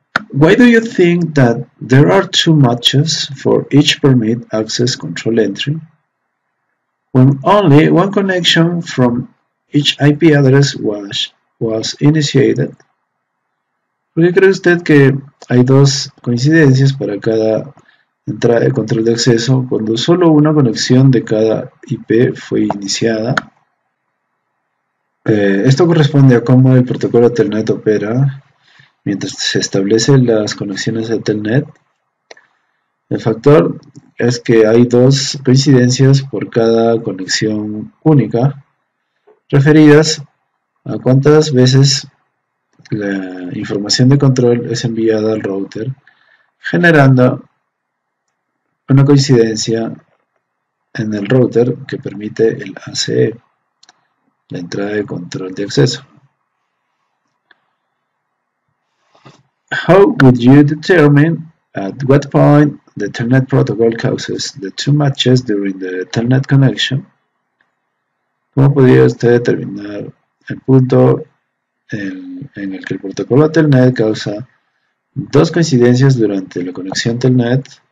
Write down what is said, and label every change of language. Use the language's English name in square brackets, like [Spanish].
[English] Why do you think that there are two matches for each permit access control entry when only one connection from each IP address was initiated? [Spanish] ¿Por qué cree usted que hay dos coincidencias para cada entrada de control de acceso cuando solo una conexión de cada IP fue iniciada? Esto corresponde a cómo el protocolo Telnet opera mientras se establecen las conexiones de Telnet. El factor es que hay dos coincidencias por cada conexión única, referidas a cuántas veces la información de control es enviada al router, generando una coincidencia en el router que permite el ACE, la entrada de control de acceso. [English] How would you determine at what point the Telnet protocol causes the two matches during the Telnet connection? [Spanish] ¿Cómo podría usted determinar el punto en el que el protocolo Telnet causa dos coincidencias durante la conexión Telnet?